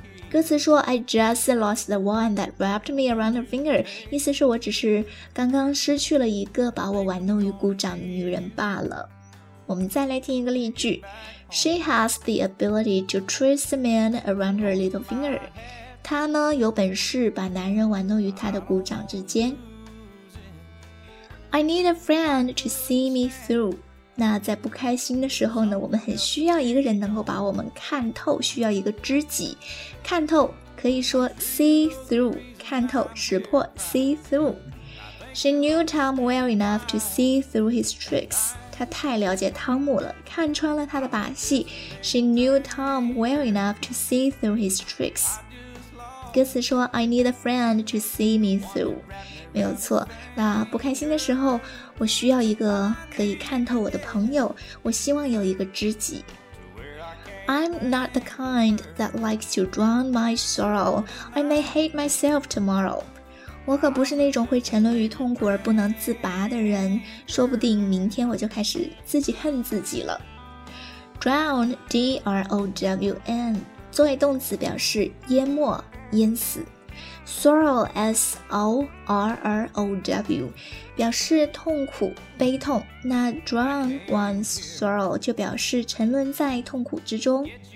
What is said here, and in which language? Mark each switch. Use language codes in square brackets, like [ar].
[zh] 歌词说 [en] I just lost the one that wrapped me around her finger， [zh] 意思是我只是刚刚失去了一个把我玩弄于股掌的女人罢了。我们再来听一个例句， [en] She has the ability to twist the man around her little finger. [zh] 她呢有本事把男人玩弄于她的股掌之间。 [en] I need a friend to see me through. [zh] 那在不开心的时候呢，我们很需要一个人能够把我们看透，需要一个知己。看透可以说 see through， 看透识破 see through。 [en] She knew Tom well enough to see through his tricks. [zh] 她太了解汤姆了，看穿了他的把戏。 [en] She knew Tom well enough to see through his tricks. [zh] 歌词说 [en] I need a friend to see me through， [zh] 没有错，那不开心的时候我需要一个可以看透我的朋友，我希望有一个知己。 [en] I'm not the kind that likes to drown my sorrow. I may hate myself tomorrow. [zh] 我可不是那种会沉沦于痛苦而不能自拔的人，说不定明天我就开始自己恨自己了。 Drown, D-R-O-W-N, 作为动词表示淹没、淹死。 Sorrow, S-O-R-R-O-W, 表示痛苦、悲痛，那 [en] drown one's sorrow [zh] 就表示沉沦在痛苦之中。